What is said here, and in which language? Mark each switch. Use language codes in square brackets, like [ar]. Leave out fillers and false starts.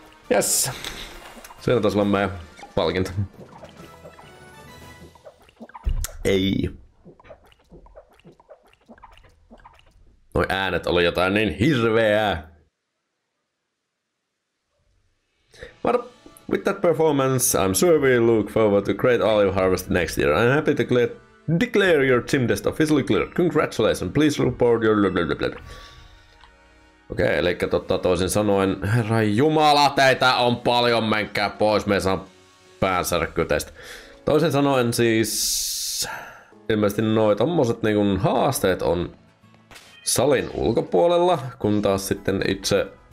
[fi] Jes! Siinä taisi olla meidän palkinto. Ei. Noi äänet oli jotain niin hirveää. [en] But with that performance, I'm sure we look forward to great olive harvest next year. I'm happy to declare your team desk officially cleared. Congratulations, please report your blah blah blah blah. [fi] Okei, eli toisin sanoen, herra jumala, teitä on paljon, menkää pois, me saan päänsärkkyä teistä. Toisin sanoen siis, ilmeisesti noi tommoset niinku haasteet on salin ulkopuolella, kun taas sitten itse...